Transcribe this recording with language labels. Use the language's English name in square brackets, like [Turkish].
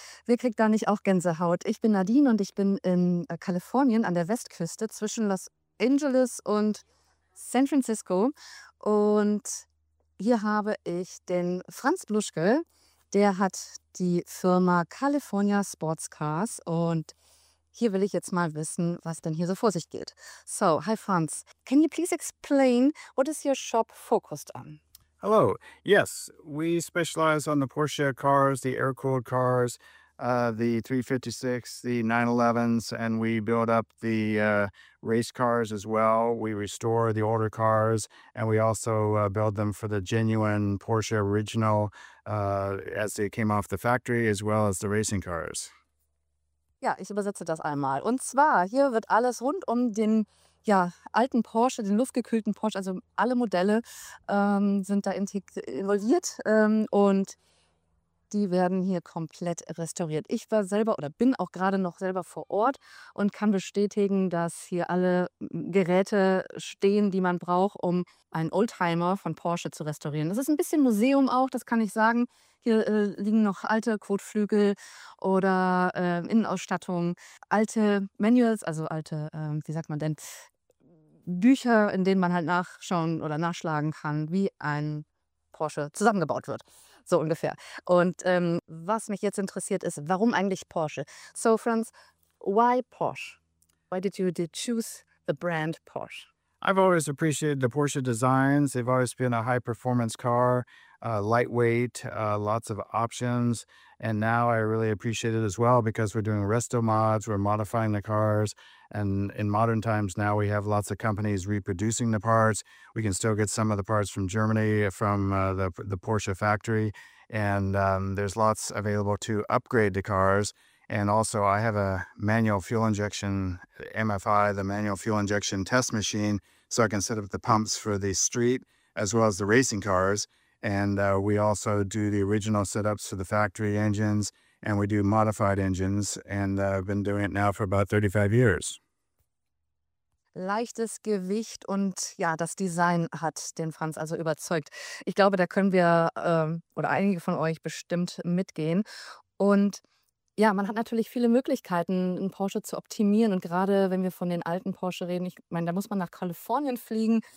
[German] Wer kriegt da nicht auch Gänsehaut? Ich bin Nadine und ich bin in Kalifornien an der Westküste zwischen Los Angeles und San Francisco. Und hier habe ich den Franz Bluschke. Der hat die Firma California Sports Cars. Und hier will ich jetzt mal wissen, was denn hier so vor sich geht. [English] So, hi Franz. Can you please explain, what is your shop focused on? Hello. Yes, we specialize on the Porsche cars, the air-cooled cars, the 356, the 911s, and we build up the race cars as well. We restore the older cars, and we also build them for the genuine Porsche original as they came off the factory, as well as the racing cars. [German] Ja, ich übersetze das einmal. Und zwar, hier wird alles rund um den alten Porsche, den luftgekühlten Porsche, also alle Modelle sind da involviert und die werden hier komplett restauriert. Ich war selber oder bin auch gerade noch selber vor Ort und kann bestätigen, dass hier alle Geräte stehen, die man braucht, um einen Oldtimer von Porsche zu restaurieren. Das ist ein bisschen Museum auch, das kann ich sagen. Hier liegen noch alte Kotflügel oder Innenausstattung, alte Manuals, also alte, wie sagt man denn, Bücher, in denen man halt nachschauen oder nachschlagen kann, wie ein Porsche zusammengebaut wird. So ungefähr. Und was mich jetzt interessiert ist, warum eigentlich Porsche? [English] So, Franz, why Porsche? Why did you choose the brand Porsche? I've always appreciated the Porsche designs. They've always been a high-performance car, lightweight, lots of options. And now I really appreciate it as well because we're doing resto mods, we're modifying the cars. And in modern times now, we have lots of companies reproducing the parts. We can still get some of the parts from Germany, from the Porsche factory. And there's lots available to upgrade the cars. And also, I have a manual fuel injection, MFI, the manual fuel injection test machine, so I can set up the pumps for the street, as well as the racing cars. And we also do the original setups for the factory engines, and we do modified engines, and I've been doing it now for about 35 years. [German] Leichtes Gewicht und ja, das Design hat den Franz also überzeugt. Ich glaube, da können wir oder einige von euch bestimmt mitgehen. Und ja, man hat natürlich viele Möglichkeiten, einen Porsche zu optimieren. Und gerade wenn wir von den alten Porsche reden, ich meine, da muss man nach Kalifornien fliegen.